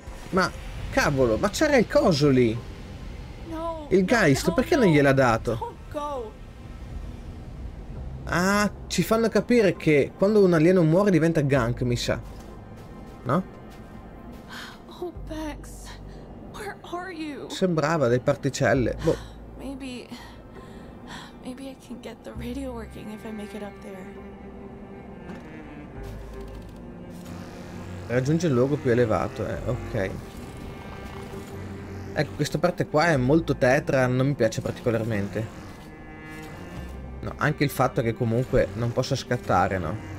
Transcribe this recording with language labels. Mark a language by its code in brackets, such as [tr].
[it] Ma cavolo, ma c'era il coso lì. Il Geist, perché non gliel'ha dato? Ah, ci fanno capire che quando un alieno muore diventa gank, mi sa. No? [en] Oh, Bex, where are you? [it] Sembrava delle particelle. Boh. [en] Maybe I can get the radio working if I make it up there. [it] Raggiunge il luogo più elevato, ok. Ecco, questa parte qua è molto tetra, non mi piace particolarmente. No, anche il fatto che comunque non possa scattare, no?